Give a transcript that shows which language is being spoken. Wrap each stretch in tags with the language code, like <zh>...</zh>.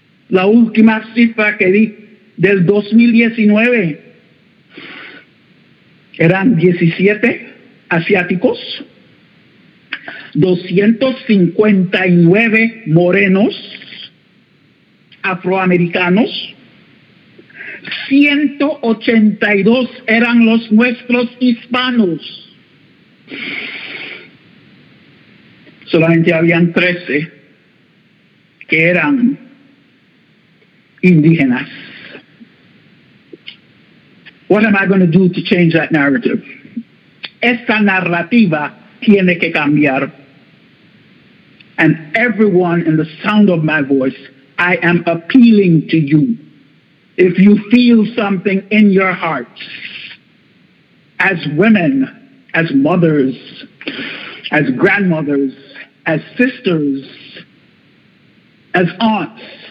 <es>La última cifra que di del 2019 eran 17 asiáticos, 259 morenos, afroamericanos, 182 eran los nuestros hispanos. Solamente habían 13 que eran indígenas.</es> <en>What am I going to do to change that narrative?</en> <es>Esta narrativa tiene que cambiar.</es> <en>And everyone in the sound of my voice, I am appealing to you. If you feel something in your heart, as women, as mothers, as grandmothers, as sisters, as aunts,</en>